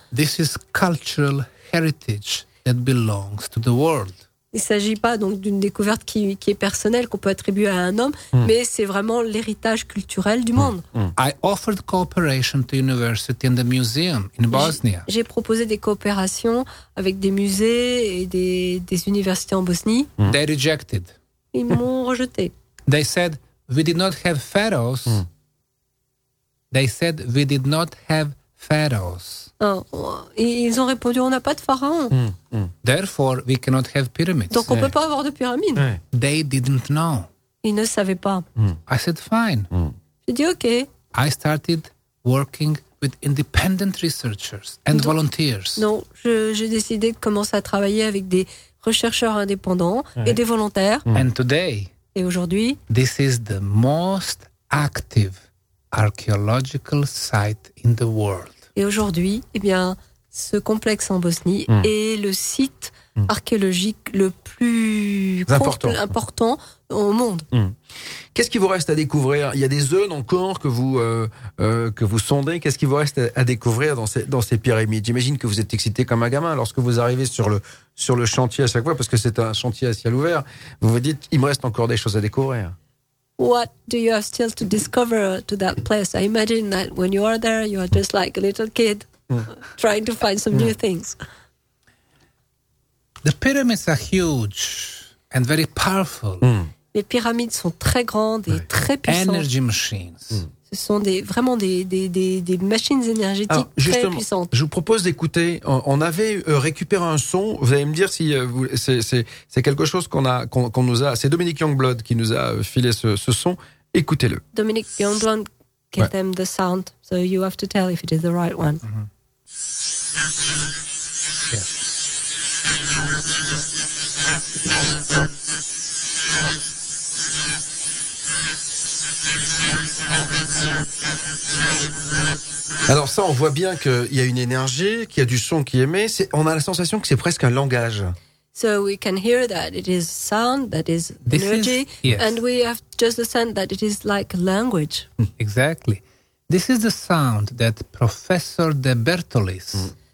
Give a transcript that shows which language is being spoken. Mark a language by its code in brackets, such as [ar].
[en] This is cultural heritage that belongs to the world. [fr] Il s'agit pas donc d'une découverte qui est personnelle qu'on peut attribuer à un homme, mais c'est vraiment l'héritage culturel du monde. [en] I offered cooperation to university and the museum in Bosnia. [fr] J'ai proposé des coopérations avec des musées et des universités en Bosnie. [en] They rejected. [fr] Ils m'ont rejeté. [en] They said we did not have pharaohs. They said we did not have pharaohs. [fr] Ils ont répondu, on n'a pas de pharaon. [en] Therefore, we cannot have pyramids. [fr] Donc, on peut pas avoir de pyramides. [en] They didn't know. [fr] Ils ne savaient pas. [en] I said fine. [fr] J'ai dit ok. [en] I started working with independent researchers and volunteers. [fr] Non, j'ai décidé de commencer à travailler avec des chercheurs indépendants et des volontaires. [en] And today. [fr] Et aujourd'hui. [en] This is the most active archaeological site in the world. [fr] Et aujourd'hui, eh bien, ce complexe en Bosnie est le site archéologique le plus important au monde. Qu'est-ce qui vous reste à découvrir ? Il y a des zones encore que vous sondez. Qu'est-ce qui vous reste à découvrir dans ces pyramides ? J'imagine que vous êtes excité comme un gamin lorsque vous arrivez sur le chantier à chaque fois, parce que c'est un chantier à ciel ouvert. Vous vous dites, il me reste encore des choses à découvrir. [en] What do you have still to discover to that place? I imagine that when you are there, you are just like a little kid trying to find some new things. The pyramids are huge and very powerful. [fr] Les pyramides sont très grandes et très puissantes. [en] Energy machines. [fr] Ce sont vraiment des machines énergétiques très puissantes. Je vous propose d'écouter. On avait récupéré un son. Vous allez me dire si c'est quelque chose qu'on nous a. C'est Dominique Youngblood qui nous a filé ce son. Écoutez-le. [en] Dominique Youngblood, give them the sound. So you have to tell if it is the right one. [fr] Alors ça, on voit bien qu'il y a une énergie, qu'il y a du son qui émet. On a la sensation que c'est presque un langage. [en] So we can hear that it is sound, that is energy, and we have just the sense that it is like language. Exactly. This is the sound that Professor De Bertolis.